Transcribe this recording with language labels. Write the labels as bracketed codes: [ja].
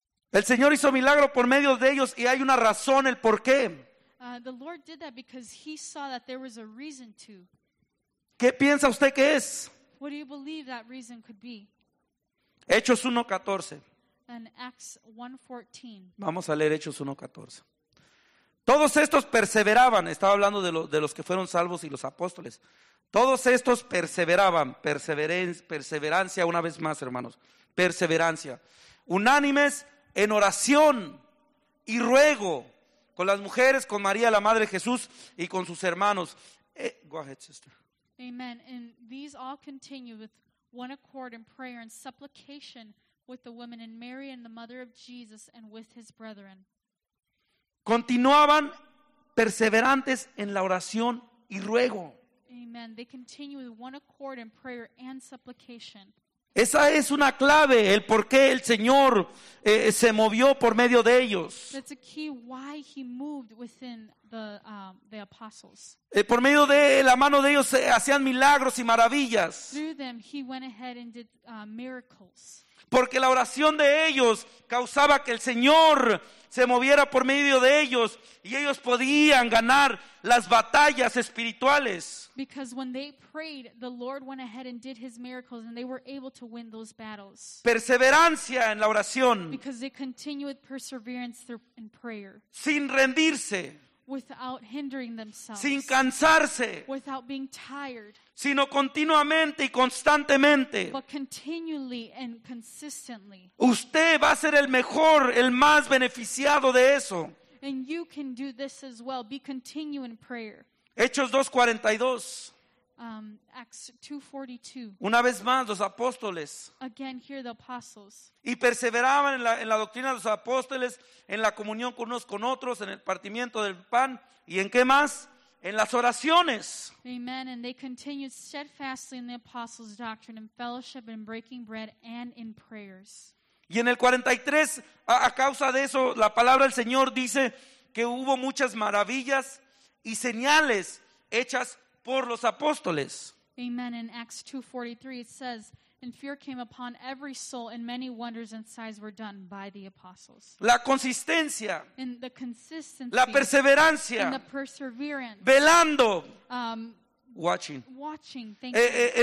[es] El Señor hizo milagro por medio de ellos y hay una razón el por qué. [en] The Lord did that because he saw that there was a reason to. [es] ¿Qué piensa usted que es? [en] What do you believe that reason could be? [es] Hechos 1:14. [en] And Acts 1:14. [es] Vamos a leer Hechos 1:14. Todos estos perseveraban. Estaba hablando de los que fueron salvos y los apóstoles. Todos estos perseveraban. Perseverancia una vez más, hermanos. Perseverancia. Unánimes en oración y ruego. Con las mujeres, con María, la madre de Jesús, y con sus hermanos. [en] Go ahead, sister. Amen. And these all continue with one accord in prayer and supplication with the women and Mary and the mother of Jesus and with his brethren. [es] Continuaban perseverantes en la oración y ruego. Amen. [en] They continue with one accord in prayer and supplication. [es] Esa es una clave, el por qué el Señor se movió por medio de ellos. [en] That's a key why he moved within the apostles. [es] Por medio de la mano de ellos hacían milagros y maravillas. [en] Through them he went ahead and did miracles. [es] Porque la oración de ellos causaba que el Señor se moviera por medio de ellos y ellos podían ganar las batallas espirituales. [en] Because when they prayed, the Lord went ahead and did his miracles and they were able to win those battles. [es] Perseverancia en la oración. [en] Because they continued perseverance in prayer. [es] Sin rendirse. [en] Without hindering themselves. [es] Sin cansarse. [en] Without being tired. [es] Sino continuamente y constantemente. [en] But continually and consistently. [es] Usted va a ser el mejor, el más beneficiado de eso. [en] And you can do this as well. Be continue in prayer. [es] Hechos 2:42. [en] Acts 2:42. [es] Una vez más los apóstoles. [en] Again, here the apostles. [es] Y perseveraban en la doctrina de los apóstoles, en la comunión con unos con otros, en el partimiento del pan y ¿en qué más? En las oraciones. Amen. [en] And they continued steadfastly in the apostles' doctrine, in fellowship, in breaking bread, and in prayers. [es] Y en el 43, a causa de eso, la palabra del Señor dice que hubo muchas maravillas y señales hechas por los apóstoles. Amen. [en] In Acts 2:43 it says, and fear came upon every soul, and many wonders and signs were done by the apostles. [es] La consistencia. [en] In the consistency. [es] La perseverancia. [en] In the perseverance. [es] Velando. [en] Watching. Watching. Thank you.